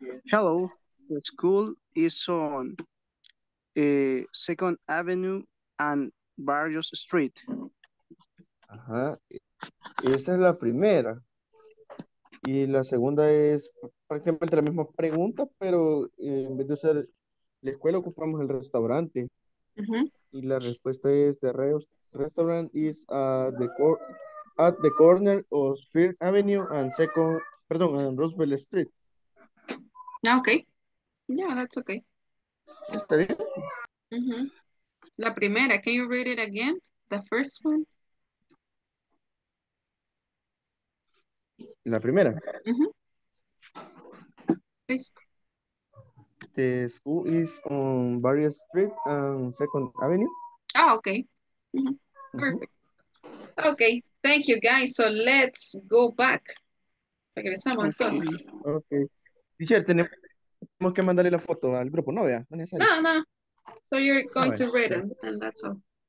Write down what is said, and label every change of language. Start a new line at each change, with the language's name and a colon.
English: Hello, the school is on Second Avenue and Barrios Street.
Spanish: Ajá, esa es la primera. Y la segunda es prácticamente la misma pregunta, pero en vez de usar la escuela, ocupamos el restaurante. Uh-huh. Y la respuesta es,
English: the restaurant is at the corner of Fifth Avenue and and Roosevelt Street. Ah, ok. Yeah, that's ok.
Spanish: ¿Está bien? Uh-huh. La primera,
English: can you read it again? The first one?
Spanish: en la primera. Uh-huh.
English: The school is on Barrier Street and Second Avenue. Ah, okay. Uh-huh. Perfect. Uh-huh. Okay, thank you guys. So let's go back. Okay. Okay.
Spanish: Tenemos que mandarle la foto al grupo, ¿no? No, no.
English: So you're going to read them, and that's all.